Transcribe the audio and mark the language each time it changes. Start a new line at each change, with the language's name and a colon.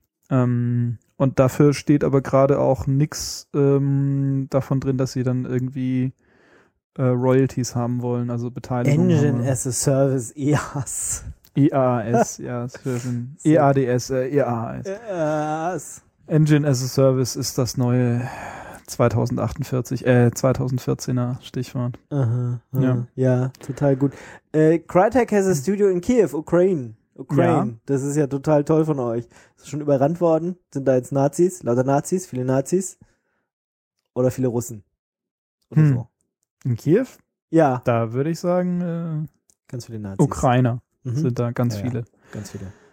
German: Und dafür steht aber gerade auch nichts davon drin, dass sie dann irgendwie Royalties haben wollen, also Beteiligung.
English: Engine as a Service, EAS.
German: EAS, ja. EADS, EAS. EAS. Engine as a Service ist das neue 2014er Stichwort. Aha. Ja, total gut.
English: Crytek has a studio in Kiew, Ukraine.
German: Ukraine, ja. Das ist ja total toll von euch. Ist schon überrannt worden? Sind da jetzt Nazis? Lauter Nazis? Viele Nazis? Oder viele Russen? Oder so. In Kiew? Ja. Da würde ich sagen, ganz viele Nazis. Ukrainer sind da ganz viele. Ganz viele.